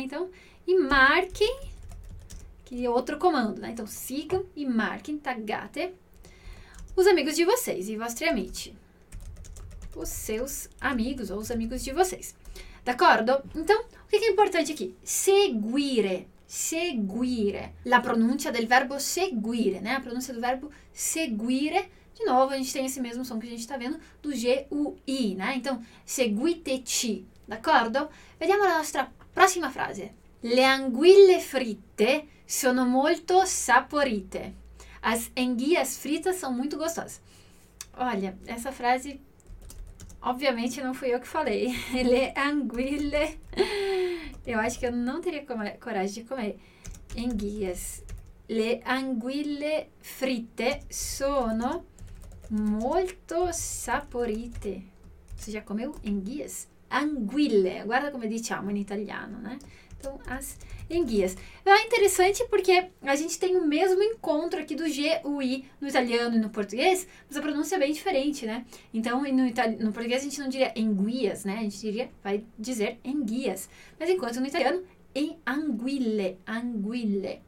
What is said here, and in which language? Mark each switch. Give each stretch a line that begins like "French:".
Portuguese: Então, e marquem, que é outro comando, né? Então, sigam e marquem, taggate, os amigos de vocês
Italian: e vostri amici.
Portuguese: Os seus amigos ou os amigos de vocês.
Italian: D'accordo?
Portuguese: Então, o que è importante aqui? Seguire.
Italian: Seguire. La pronuncia del verbo seguire,
Portuguese: né? A pronúncia do verbo seguire. De novo, a gente tem esse mesmo som que a gente está vendo do G-U-I, né? Então, seguiteci.
Italian: D'accordo? Vediamo la nostra prossima frase. Le anguille fritte sono molto saporite.
Portuguese: As enguias fritas são muito gostosas. Olha, essa frase, obviamente, não fui eu que falei. Le anguille. Eu acho que eu não teria coragem de comer enguias.
Italian: Le anguille fritte sono molto saporite.
Portuguese: Você já comeu enguias?
Italian: Anguille. Guarda come diciamo in italiano, né?
Portuguese: Então, as enguias. É interessante porque a gente tem o mesmo encontro aqui do G, o I, no italiano e no português, mas a pronúncia é bem diferente, né? Então, no português a gente não diria enguias, né? A gente diria, vai dizer enguias. Mas enquanto no italiano, em anguille, anguille.